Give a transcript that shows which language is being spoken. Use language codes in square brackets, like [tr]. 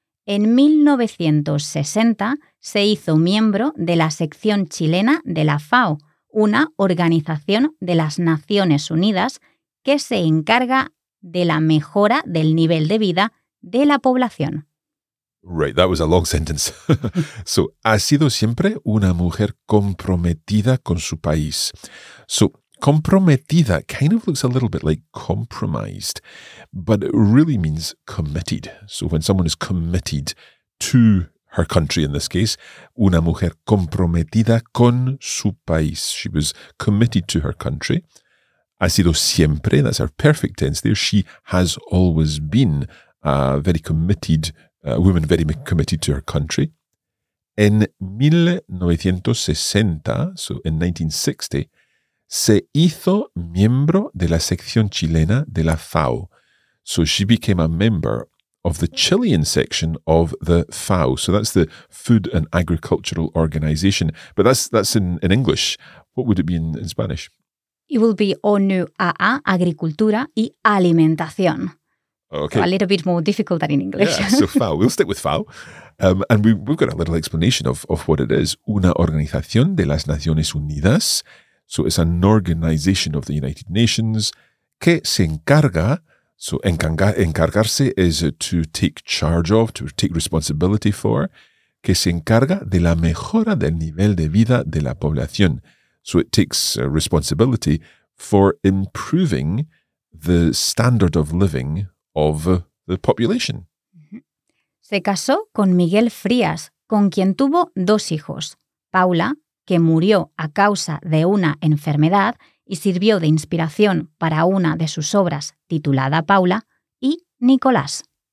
[es] En 1960 se hizo miembro de la sección chilena de la FAO, una organización de las Naciones Unidas que se encarga de la mejora del nivel de vida de la población. [en] Right, that was a long sentence. [es] So, ha sido siempre una mujer comprometida con su país. [en] So, comprometida kind of looks a little bit like compromised, but it really means committed. So, when someone is committed to her country, in this case, [es] una mujer comprometida con su país. [en] She was committed to her country. [es] Ha sido siempre, [en] that's her perfect tense there. She has always been a very committed woman to her country. [es] En 1960, [en] so in 1960, [es] se hizo miembro de la sección chilena de la FAO. [en] So she became a member of the Chilean section of the FAO. So that's the Food and Agricultural Organization. But that's in English. What would it be in Spanish? It will be ONU AA, [es] Agricultura y Alimentación. [en] Okay. So a little bit more difficult than in English. Yeah, so FAO, we'll stick with FAO. And we've got a little explanation of what it is. [es] Una organización de las Naciones Unidas. [en] So it's an organization of the United Nations [es] que se encarga. [en] So encargarse is to take charge of, to take responsibility for. [es] Que se encarga de la mejora del nivel de vida de la población. [en] So it takes responsibility for improving the standard of living of the population. [es] Se casó con Miguel Frías, con quien tuvo dos hijos. Paula, que murió a causa de una enfermedad y sirvió de inspiración para una de sus obras titulada Paula, y Nicolás.